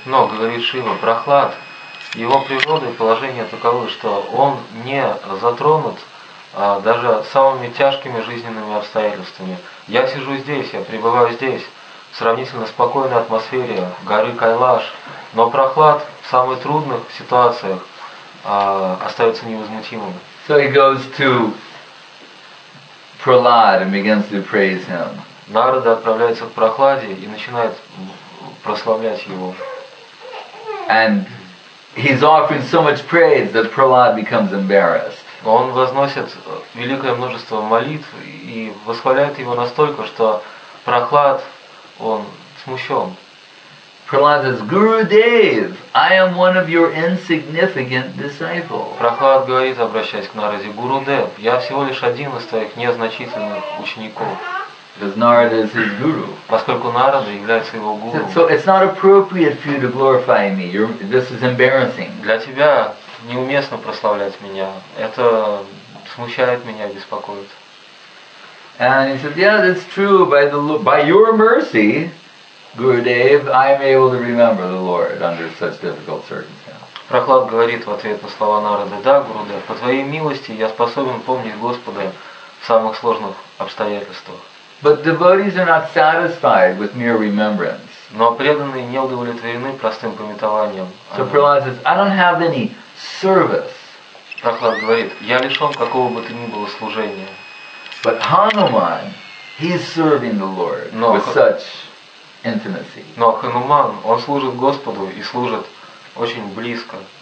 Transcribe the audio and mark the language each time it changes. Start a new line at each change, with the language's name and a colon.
Russian: Но, говорит Шива, Прохлад, его природа и положение таковы, что он не затронут даже самыми тяжкими жизненными обстоятельствами. Я сижу здесь, я пребываю здесь, в сравнительно спокойной атмосфере горы Кайлаш, но Прохлад в самых трудных ситуациях остается невозмутимым.
English: So he goes to Prahlad and begins to praise him.
Russian: Нарада отправляется к Прохладе и начинает прославлять его.
English: And he's offering so much praise that Prahlad becomes embarrassed.
Russian: Он возносит великое множество молитв и восхваляет его настолько, что Прохлад, он смущен.
English: Prahlad says, Guru Dev, I am one of your insignificant disciples.
Russian: Прохлад говорит, обращаясь к Нараде, Гуру Дев, я всего лишь один из твоих незначительных учеников.
English: Because Narada is his guru.
Russian: Поскольку Нарада является его гуру.
English: So it's not appropriate for you to glorify me. This is embarrassing.
Russian: Для тебя неуместно прославлять меня. Это смущает меня, беспокоит.
English: And he said, yeah, that's true. By your mercy, Guru Dev, I am able to remember the Lord under such difficult circumstances.
Russian: Прохлад говорит в ответ на слова Нарады, да, Гуру Дев, по твоей милости я способен помнить Господа в самых сложных обстоятельствах.
English: But devotees are not satisfied with mere remembrance.
Russian: Но преданные не удовлетворены простым памятованием.
English: So Prahlad says, I don't have any service.
Russian: Прохлад говорит, я лишен какого бы то ни было служения.
English: But Hanuman, he's serving the Lord with such intimacy.
Russian: Но Хануман, он служит Господу и служит очень близко.